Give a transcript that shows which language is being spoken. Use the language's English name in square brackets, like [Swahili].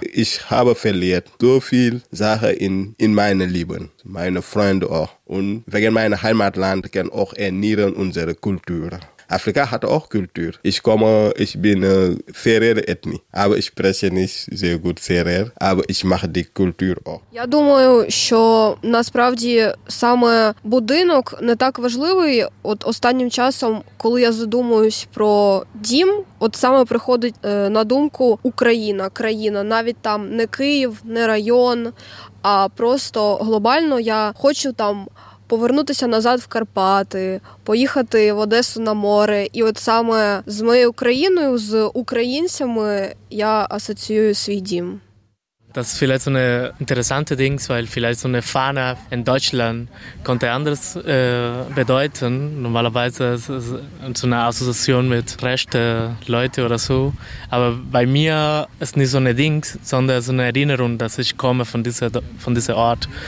[German] Ich habe verliert so viel Sachen in meinem Leben, meine Freunde auch. Und wegen meinem Heimatland kann auch ernähren unsere Kultur. Afrika hat auch Kultur. Ich bin Serer Ethnie, aber ich spreche nicht sehr gut Serer, aber ich mache die Kultur auch. [Ukrainian] Я думаю, що насправді саме будинок не так важливий. От останнім часом, коли я задумуюсь про дім, от саме приходить на думку Україна, країна, навіть там не Київ, не район, а просто глобально я хочу там повернутися назад в Карпати, поїхати в Одесу на море. І от саме з моєю країною, з українцями я асоціюю свій дім. [German] das ist vielleicht so eine interessante Ding, weil vielleicht so eine Fahne in Deutschland könnte anders bedeuten. Normalerweise ist es so eine Assoziation mit rechten Leuten oder so. Aber bei mir ist nicht so eine Ding, sondern so eine Erinnerung, dass ich komme von dieser Ort.